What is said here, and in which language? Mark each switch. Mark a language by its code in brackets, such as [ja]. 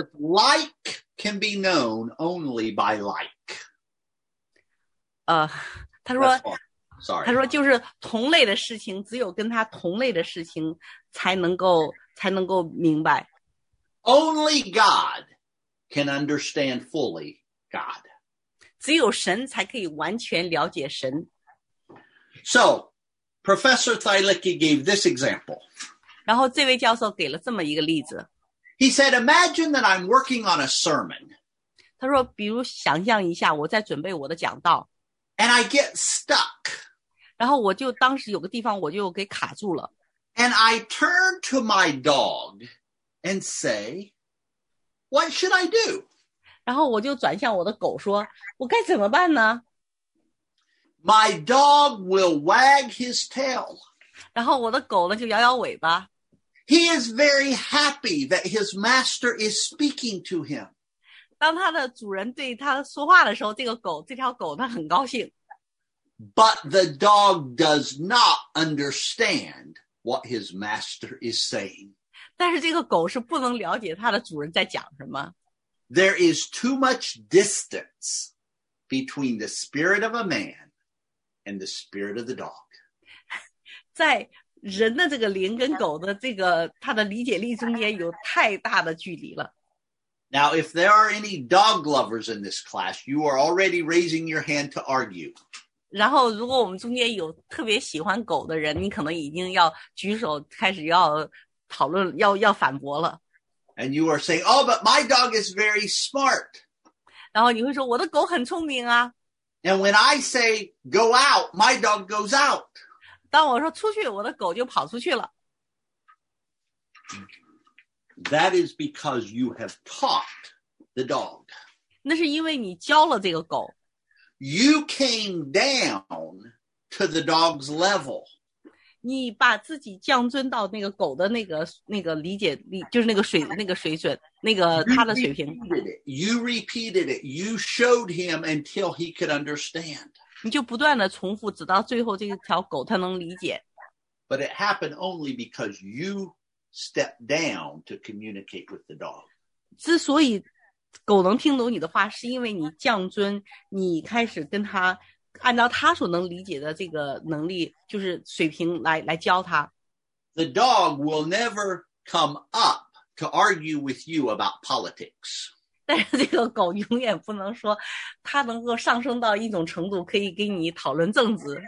[en] Like can be known only by like。 [zh] 他说 [en] ，Sorry， [zh] 他说就是同类的事情，只有跟他同类的事情才能够明白。 [en] Only God can understand fully God。 [zh] 只有神才可以完全了解神。 [en] So, Professor Thielicke gave this example. [zh] 然后这位教授给了这么一个例子。 [en] He said, imagine that I'm working on a sermon. [zh] 他说比如想象一下我在准备我的讲道。 [en] And I get stuck. [zh] 然后我就当时有个地方我就给卡住了。 [en] And I turn to my dog and say, what should I do? [zh] 然后我就转向我的狗说我该怎么办呢？ [en] My dog will wag his tail. [zh] 然后我的狗呢就摇摇尾巴。 [en] He is very happy that his master is speaking to him. [zh] 当他的主人对他说话的时候，这个狗，这条狗，它很高兴。 [en] But the dog does not understand what his master is saying. [zh] 但是这个狗是不能了解它的主人在讲什么。 [en] There is too much distance between the spirit of a man and the spirit of the dog. [zh] 在人的这个灵跟狗的这个它的理解力中间有太大的距离了。 [en] Now, if there are any dog lovers in this class, you are already raising your hand to argue. [zh] 然后如果我们中间有特别喜欢狗的人，你可能已经要举手开始要讨论，要反驳了。 [en] And you are saying, oh, but my dog is very smart. [zh] 然后你会说我的狗很聪明啊。 [en] And when I say, go out, my dog goes out. [zh] 当我说出去，我的狗就跑出去了。 [en] That is because you have taught the dog. [zh] 那是因为你教了这个狗。 [en] You came down to the dog's level. [zh] 你把自己降尊到那个狗的那个理解力，就是那个水准。那个他的水平 [en] You repeated it. You showed him until he could understand. [zh] 你就不断的重复，直到最后这条狗他能理解。 [en] But it happened only because you stepped down to communicate with the dog. [zh] 之所以狗能听懂你的话，是因为你降尊，你开始跟他按照他所能理解的这个能力，就是水平来教他。 [en] The dog will never come up. To argue with you about politics. [zh] 但是这个狗永远不能说它能够上升到一种程度可以跟你讨论政治。